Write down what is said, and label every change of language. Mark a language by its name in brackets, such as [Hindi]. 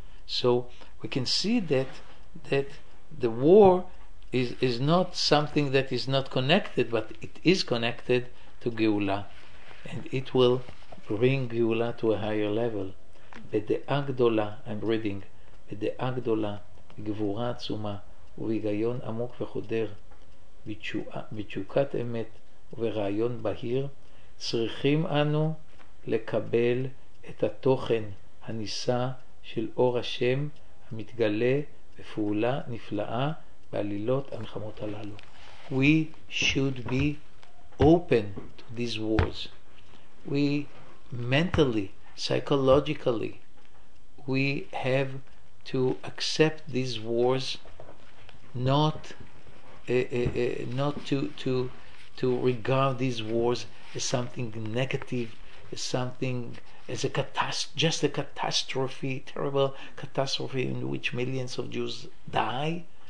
[English] So we can see that the war is not something that is not connected, but it is connected to Geula, and it will bring Geula to a higher level. [Hebrew] בדעה גדולה, [English] I'm reading, [Hebrew] בדעה גדולה, בגבורה עצומה ובהיגיון עמוק וחודר, בתשוקת אמת וברעיון בהיר, צריכים אנו לקבל את התוכן הניסה של אור השם המתגלה בפעולה נפלאה בעלילות המלחמות הללו. [English] We should be open to these wars. We mentally, psychologically, we have to accept these wars, not to regard these wars as something negative, as a catastrophe, terrible catastrophe in which millions of Jews die,